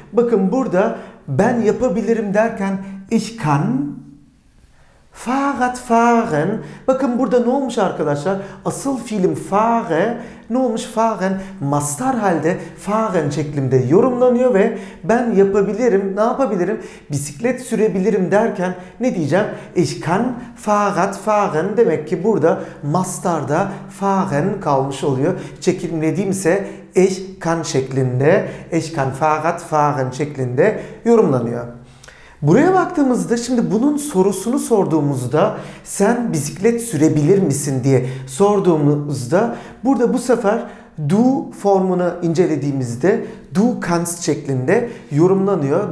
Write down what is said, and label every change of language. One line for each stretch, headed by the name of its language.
Turkish: Bakın burada ben yapabilirim derken
German: ich kann Fahrrad fahren.
Turkish: Bakın burada ne olmuş arkadaşlar? Asıl fiilim fahre. Ne olmuş? Fahren. Mastar halde fahren şeklinde yorumlanıyor ve ben yapabilirim, ne yapabilirim? Bisiklet sürebilirim derken ne diyeceğim?
German: Ich kann Fahrrad fahren.
Turkish: Demek ki burada mastarda fahren kalmış oluyor. Çekimlediğimse
German: ich kann
Turkish: şeklinde,
German: ich kann Fahrrad fahren
Turkish: şeklinde yorumlanıyor. Buraya baktığımızda şimdi bunun sorusunu sorduğumuzda sen bisiklet sürebilir misin diye sorduğumuzda burada bu sefer du formunu incelediğimizde
German: du kannst
Turkish: şeklinde yorumlanıyor.